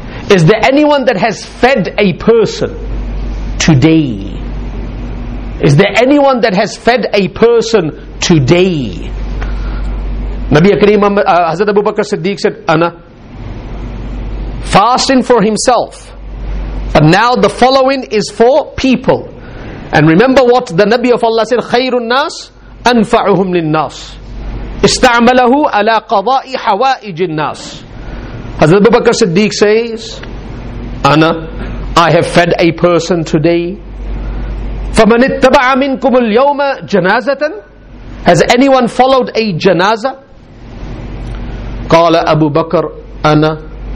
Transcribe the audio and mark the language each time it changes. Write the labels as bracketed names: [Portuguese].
[English] Is there anyone that has fed a person today? Is there anyone that has fed a person today? Nabi Akrim Hazrat Abu Bakr Siddiq said, أَنَا. Fasting for himself. But now the following is for people. And remember what the Nabi of Allah said, [Arabic] خَيْرُ النَّاسِ أَنْفَعُهُمْ لِلنَّاسِ اسْتَعْمَلَهُ عَلَىٰ قَضَاءِ حَوَائِجِ النَّاسِ. [English] Hazrat Abu Bakr Siddiq says, Ana, I have fed a person today. [Arabic] فَمَنِ اتَّبَعَ مِنْكُمُ الْيَوْمَ جَنَازَةً. [English] Has anyone followed a janazah? [Arabic] قَالَ أَبُو بَكَرْ أَنَا.